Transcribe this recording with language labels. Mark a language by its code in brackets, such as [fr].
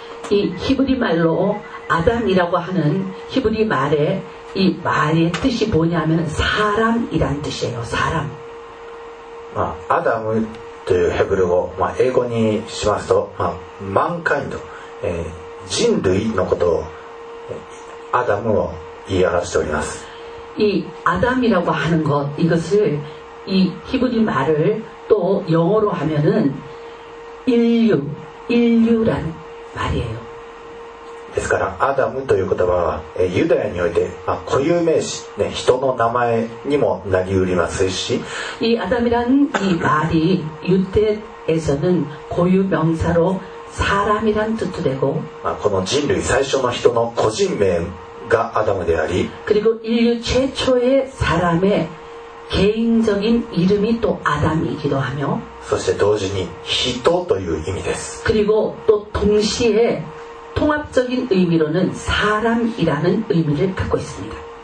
[ko] 이히브리말로아담이라고하는히브리말의이말의뜻이뭐냐면사람이란뜻이에요사람 아담을 [ja] というヘブル語、英語にしますと、マンカインド、人類のことをアダムを言い表しております。 [ko] 이아담이라고하는것이것을 이 히브리 말을 또 영어로 하면은 인류, 인류란 말이에요. [ja] ですからアダムという言葉はユダヤにおいて固有名詞、人の名前にもなりうりますし、 [ko] 이 아담이란 이 말이 유대에서는 고유 명사로 사람이란 뜻도 되고, [ja] 人類最初の人の個人名がアダムであり、 [ko] 그리고 인류 최초의 사람의 개인적인 이름이 또 아담이기도 하며, [ja] そして同時に人という意味です。 [ko] 그리고 또 동시에 통합적인 의미로는 사람이라는 의미를 갖고 있습니다.